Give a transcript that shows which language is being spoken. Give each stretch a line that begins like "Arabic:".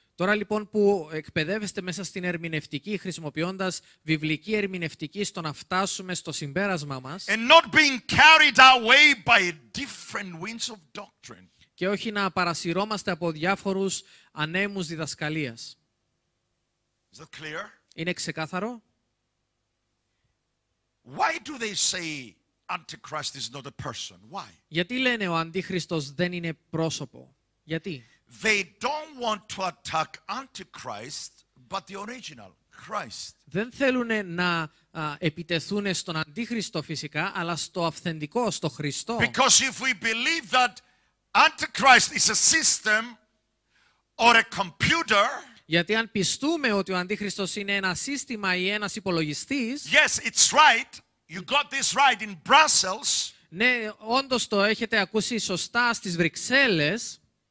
Greek: Τώρα λοιπόν που εκπαιδεύεστε μέσα στην ερμηνευτική, χρησιμοποιώντας βιβλική ερμηνευτική στο να φτάσουμε στο συμπέρασμά μας.
English: And not being carried away by different winds of doctrine.
Greek: Και όχι να παρασυρώμαστε από διάφορους ανέμους διδασκαλίας.
English: Is that clear?
Greek: Είναι ξεκάθαρο?
English: Why do they say Antichrist is not a person? Why?
Greek: Γιατί λένε ο Αντίχριστος δεν είναι πρόσωπο? Γιατί?
English: They don't want to attack Antichrist, but the original Christ.
Greek: Δεν θέλουν να επιτεθούν στον Αντίχριστο φυσικά, αλλά στο αυθεντικό, στο Χριστό.
English: Because if we believe that Antichrist is a system or a computer.
Greek: Γιατί αν πιστούμε ότι ο Αντίχριστος είναι ένα σύστημα ή ένας υπολογιστής.
English: Yes, it's right. You got this right in Brussels.
Greek: Ναι, όντως το έχετε ακούσει σωστά στις Βρυξέλλες.